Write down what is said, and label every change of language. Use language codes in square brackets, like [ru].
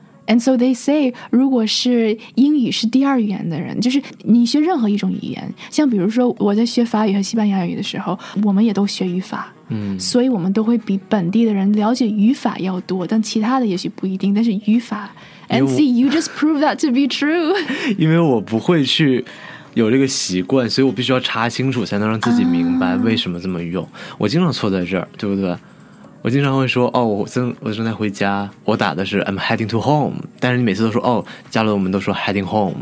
[en] And so they say, [zh] 如果是英语是第二语言的人，就是你学任何一种语言，像比如说我在学法语和西班牙语的时候，我们也都学语法，嗯，所以我们都会比本地的人了解语法要多，但其他的也许不一定，但是语法。 [en] And see, you just prove that to be true. [zh] 因为我不会去有这个习惯，所以我必须要查清楚才能让自己明白为什么这么用。我经常错在这儿，对不对？我经常会说哦，我正在回家，我打的是 [en] I'm heading to home， [zh] 但是你每次都说哦，加了我们都说 [en] heading home。